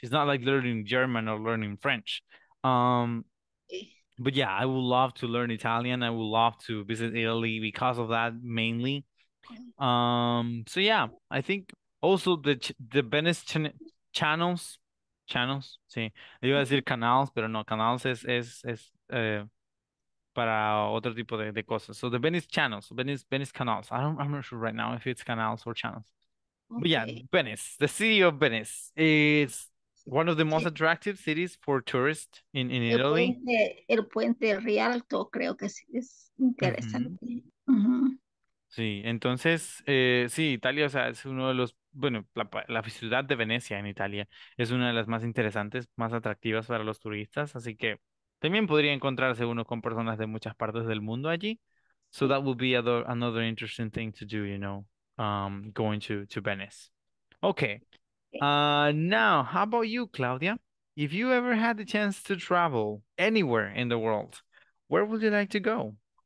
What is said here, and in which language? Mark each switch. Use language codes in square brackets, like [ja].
[en] It's not like learning German or learning French. But yeah, I would love to learn Italian. I would love to visit Italy because of that mainly. So yeah, I think also the Venice channels, sí. [es] Iba a decir canals, pero no, canals es para otro tipo de cosas. [en] So the Venice channels, Venice canals. I'm not sure right now if it's canals or channels. But yeah, Okay. Venice, the city of Venice is one of the most attractive cities for tourists in Italy. [es] El puente Rialto creo que sí es interesante. Sí, entonces, sí, Italia, o sea, es uno de los, bueno, la ciudad de Venecia en Italia es una de las más interesantes, más atractivas para los turistas, así que también podría encontrarse uno con personas de muchas partes del mundo allí. [en] So that would be another interesting thing to do, you know, going to Venice. Okay. Now, how about you, Claudia? If you ever had the chance to travel anywhere in the world, where would you like to go?